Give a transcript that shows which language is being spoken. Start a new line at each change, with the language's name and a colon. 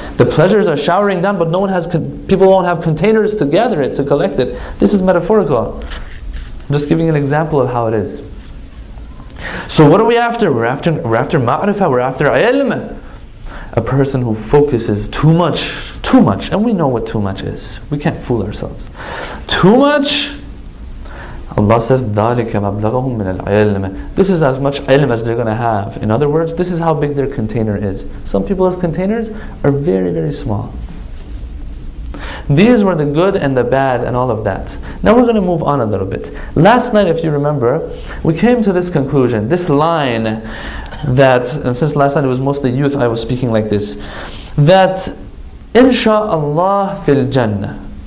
English: The pleasures are showering down, but people won't have containers to gather it, to collect it. This is metaphorical. I'm just giving an example of how it is. So what are we after? We're after ma'rifah, we're after ilm. A person who focuses too much, and we know what too much is. We can't fool ourselves. Too much?
Arabic: Allah says, ذَلِكَ مَبْلَغَهُمْ مِنَ الْعِلْمِ.
English: This is as much ilm as they're going to have. In other words, this is how big their container is. Some people's containers are very, very small. These were the good and the bad and all of that. Now we're going to move on a little bit. Last night, if you remember, we came to this conclusion, this line that, and since last night it was mostly youth, I was speaking like this, that
Arabic: inshallah fil jannah.